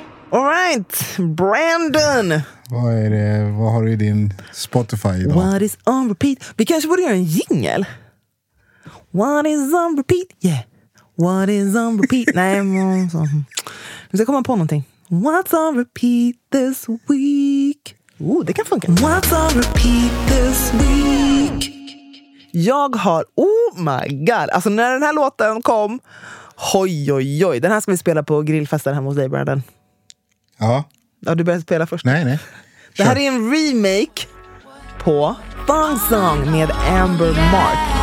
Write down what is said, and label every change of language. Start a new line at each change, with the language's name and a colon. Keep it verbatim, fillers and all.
English: All right, Brandon.
Swedish: Vad är det? Vad har du i din Spotify idag?
English: What is on repeat?
Swedish: Vi kanske borde göra en jingle.
English: What is on repeat? Yeah. What is on repeat?
Swedish: Nej, men så. Vi ska komma på någonting.
English: What's on repeat this week? Oh,
Swedish: det kan funka.
English: What's on repeat this week?
Swedish: Jag har,
English: oh my god.
Swedish: Alltså när den här låten kom, oj, oj, oj. Den här ska vi spela på grillfesten hemma hos dig, Brandon. Ja. Ja, du började spela först. Nej, nej. Det här är en remake på Thong Song med Amber Mark.